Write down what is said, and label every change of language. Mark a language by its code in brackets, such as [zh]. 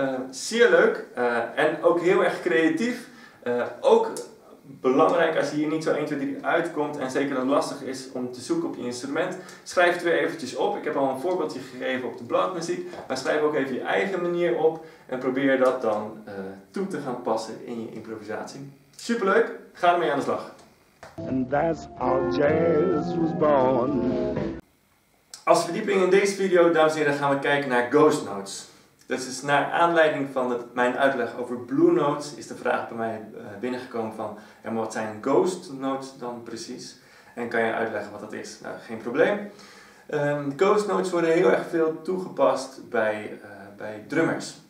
[nl] Zeer leuk en ook heel erg creatief. Ook belangrijk als je hier niet zo 1, 2, 3 uitkomt en zeker dan lastig is om te zoeken op je instrument. Schrijf het weer eventjes op. Ik heb al een voorbeeldje gegeven op de bladmuziek. Maar schrijf ook even je eigen manier op en probeer dat dan toe te gaan passen in je improvisatie. Superleuk, ga ermee aan de slag. [en] And that's how jazz was born. [nl] Als verdieping in deze video, dames en heren, gaan we kijken naar ghost notes. Dus is naar aanleiding van mijn uitleg over blue notes is de vraag bij mij binnengekomen van ja, maar wat zijn ghost notes dan precies? En kan je uitleggen wat dat is? Nou, geen probleem. Ghost notes worden heel erg veel toegepast bij drummers.